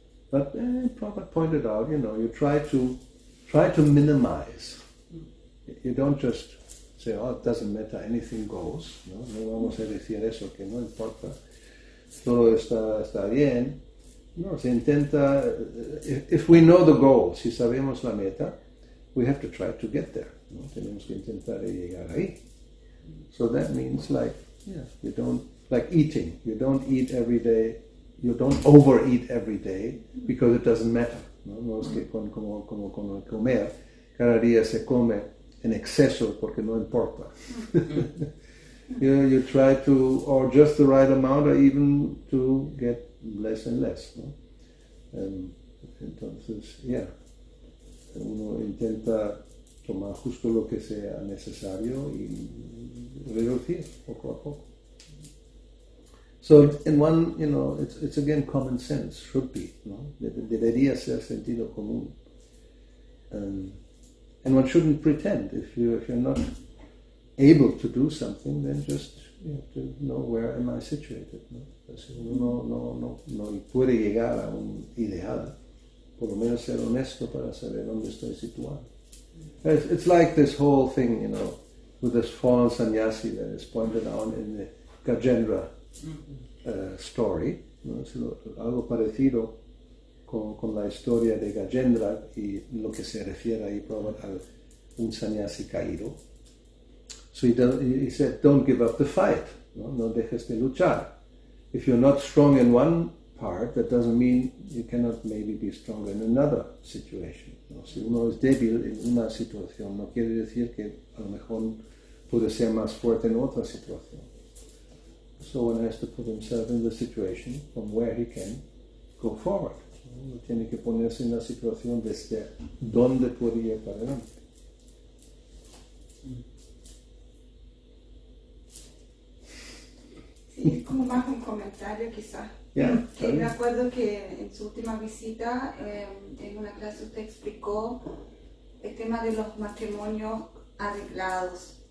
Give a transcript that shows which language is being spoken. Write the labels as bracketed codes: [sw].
[en] But Prabhupada pointed out, you know, you try to minimize. You don't just say, oh, it doesn't matter, anything goes. [es] No, no vamos a decir eso, que no importa. Todo está bien. No, se intenta, [en] if we know the goal, [es] si sabemos la meta, [en] we have to try to get there. [es] No, tenemos que intentar llegar ahí. [en] So that means like, yeah, you don't, like eating, you don't eat every day, you don't overeat every day, because it doesn't matter. [es] No, no es que como comer, cada día se come en exceso porque no importa. [en] You know, you try to, or just the right amount, or even to get less and less. No? [es] Entonces, yeah, uno intenta tomar justo lo que sea necesario y reducir poco a poco. [en] So, in one, you know, it's again common sense, should be, no? [es] Debería ser sentido común. [en] And one shouldn't pretend. If you're not able to do something, then just, you have to know, where am I situated, no? [es] Si uno no puede llegar a un ideal, por lo menos ser honesto para saber dónde estoy situado. [en] It's like this whole thing, you know, with this fallen sannyasi that is pointed out in the Gajendra story, ¿no? [es] Algo parecido con la historia de Gajendra y lo que se refiere ahí a un sannyasi caído. [en] So he said, don't give up the fight, ¿no? [es] No dejes de luchar. [en] If you're not strong in one part, that doesn't mean you cannot maybe be stronger in another situation. ¿No? [es] Si uno es débil en una situación, no quiere decir que a lo mejor puede ser más fuerte en otra situación. [en] So one has to put himself in the situation from where he can go forward. [es] Uno tiene que ponerse en la situación desde donde puede ir para adelante. Sí, es como más un comentario quizás. Yeah, me acuerdo que en su última visita, en una clase usted explicó el tema de los matrimonios arreglados.